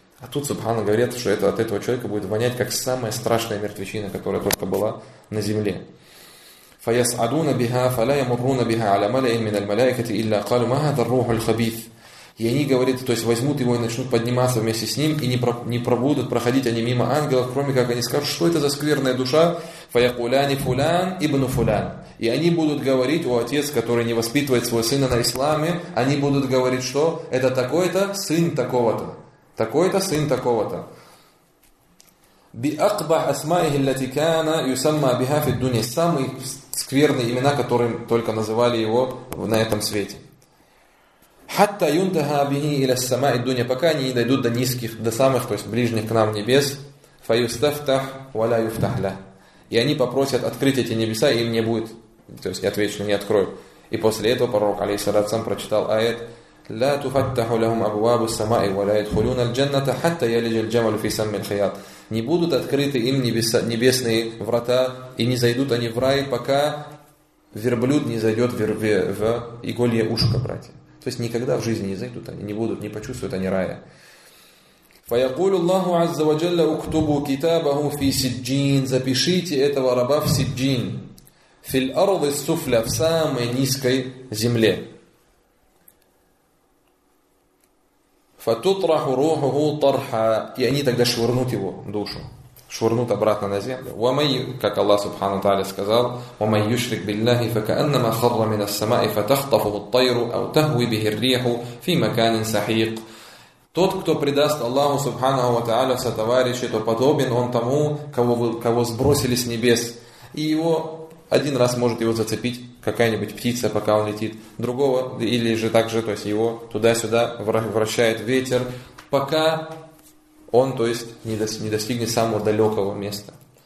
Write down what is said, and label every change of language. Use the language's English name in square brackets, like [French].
[Russian] А тут, субхана, говорят, что это от этого человека будет вонять, как самая страшная мертвечина, которая только была на земле. [Arabic] فَيَسْعَدُونَ بِهَا فَلَا يَمُرُّونَ بِهَا عَلَى مَلَئٍ مِنَ الْمَلَائِكَةِ إِلَّا قَالُوا مَا هَذَا الرُّوحُ الْخَبِيثُ. [Russian] И они, говорит, то есть возьмут его и начнут подниматься вместе с ним, и не пробудут проходить они мимо ангелов, кроме как они скажут, что это за скверная душа. [Arabic] فَيَقُولَانِ فُلَانِ ибн فُلَانِ. [Russian] И они будут говорить, о отец, который не воспитывает своего сына на исламе, они будут говорить, что это такой-то сын такого-то. Такой-то сын такого-то. [Arabic] بِأَقْبَحْ أَسْمَائِهِ الَّتِي كَانَ يُسَمَّى بِهَا فِي الدُّنْيَا. [Russian] Самые скверные имена, которыми только называли его на этом свете. [Arabic] حتى ينتهى به الى السماء الدنيا, [Russian] пока они не дойдут до низких, до самых, то есть ближних к нам небес. [Arabic] فيستفتح ولا يفتح له. [Russian] И они попросят открыть эти небеса, и им не будет, то есть отвечено, не откроют. И после этого пророк алейхиссалям прочитал аят: [Arabic] لا تفتح لهم ابواب السماء ولا يدخلون الجنه حتى يلج الجمل في سم الخياط. [Russian] Не будут открыты им небесные врата, и не зайдут они в рай, пока верблюд не зайдет в иголье ушко, братья. То есть никогда в жизни не зайдут они, не будут, не почувствуют они рая. [Arabic] فَيَقُولُ اللَّهُ عَزَّ وَجَلَّ اُكْتُبُوا كِتَابَهُ فِي سِجِّينَ. [Russian] Запишите этого раба в сиджин. [Arabic] فِي الْأَرْضِ السُّفْلَ, [Russian] в самой низкой земле. [Arabic] فَتُطْرَحُ رُوحُهُ طَرْحًا. [Russian] И они тогда швырнут его душу, швырнут обратно на землю. [Arabic] وَمَنْ, [Russian] как Аллах Субхану Тааля сказал, [Arabic] وَمَنْ يُشْرِكْ بِاللَّهِ فَكَأَنَّمَا خَرَّ مِنَ السَّمَاءِ فَتَخْطَفُهُ الطَّيْرُ أَوْ تَهْوِي بِهِ الرِّيحُ فِي مَكَانٍ سَحِيقٍ. [Russian] Тот, кто предаст Аллаху Субханаху ва Тааля сотоварищи, то подобен он тому, кого сбросили с небес. И его один раз может его зацепить какая-нибудь птица, пока он летит. Другого, или же так же, то есть его туда-сюда вращает ветер, пока он, то есть, не достигнет самого далекого места.